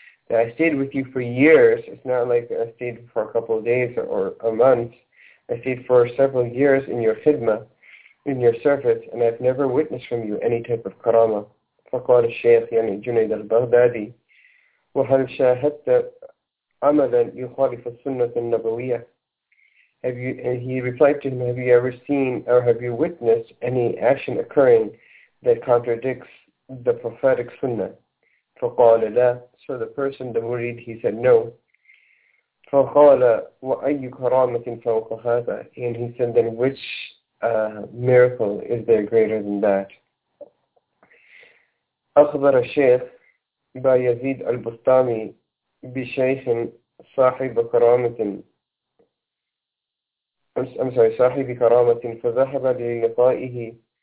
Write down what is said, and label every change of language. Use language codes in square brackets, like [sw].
[en] I stayed with you for years. It's not like I stayed for a couple of days or a month. I stayed for several years in your khidma, in your service, and I've never witnessed from you any type of كرامة. [ar] فقال الشيخ يعني جنيد البغدادي وهل شاهدت عملاً يخالف السنة النبوية. [en] Have you, and he replied to him, have you ever seen or have you witnessed any action occurring that contradicts the prophetic sunnah? [ar] فقال لا. [en] So the person, the murid, he said no. [ar] فقال وأي كرامة فوق هذا. [en] And he said, then which miracle is there greater than that? [ar] أخبر الشيخ بايزيد البستامي بشيخ صاحب كرامة. [en] I'm sorry, [ar] صاحب كرامة فذهب للقائه.